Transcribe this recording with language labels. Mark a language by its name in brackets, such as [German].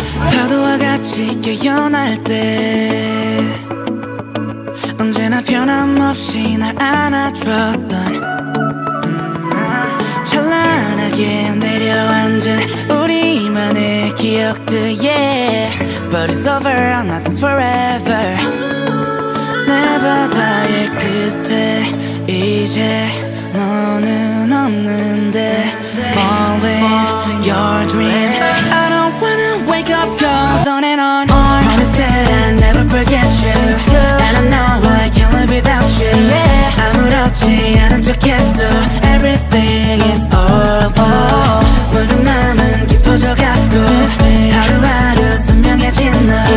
[Korean] 파도와 같이 깨어날 때 언제나 변함없이 날 안아줬던 찬란하게 내려앉은 우리만의 기억들 yeah. [English] But it's over, nothing's forever. [Korean] 바다의 끝에 이제 너는 없는데 [English] Falling your dream. I don't wanna wake up, goes on and on. Promise that I'll never forget you. And I know I can't live without you. [Korean] 아무렇지 않은 척해도 [English] Everything is over. [Korean] 모든 마음은 깊어져갖고 하루하루 선명해진 너.